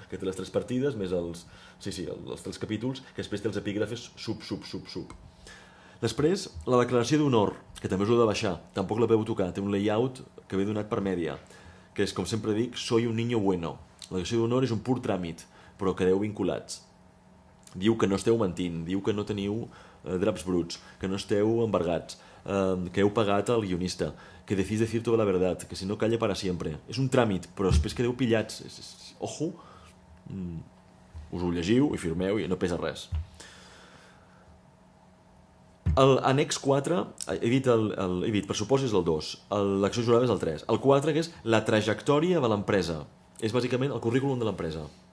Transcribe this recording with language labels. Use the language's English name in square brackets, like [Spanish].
[Catalan] Que té les tres partides, més els... Sí, els tres capítols, que després té els epígrafes sub. Després, la declaració d'honor, que també us heu de baixar. Tampoc la podeu tocar. Té un layout que ve donat per Media, que és, com sempre dic, [Spanish] soy un niño bueno. [Catalan] La declaració d'honor és un pur tràmit, però quedeu vinculats. Diu que no esteu mentint, diu que no teniu draps bruts, que no esteu embargats, que heu pagat al guionista, que [Spanish] decís decir toda la verdad, que si no calla para siempre. [Catalan] És un tràmit, però després quedeu pillats. Ojo, us ho llegiu i firmeu i no pesa res. El annex 4, he dit, pressupost és el 2, l'acció jurada és el 3. El 4, que és la trajectòria de l'empresa. És bàsicament el currículum de l'empresa.